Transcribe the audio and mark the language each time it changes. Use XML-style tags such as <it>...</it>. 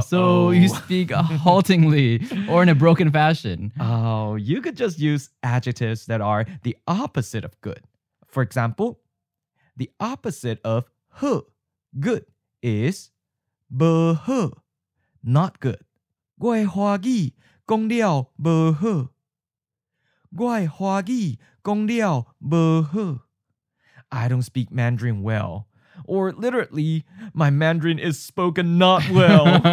<en>So you speak haltingly or in a broken fashion. Oh, you could just use adjectives that are the opposite of good. For example, the opposite of hu, good, is bu hu, not good.</en> <nan>我的华语讲了无好，我的华语讲了无好。</nan> <en>I don't speak Mandarin well. Or literally, my Mandarin is spoken not well.</en>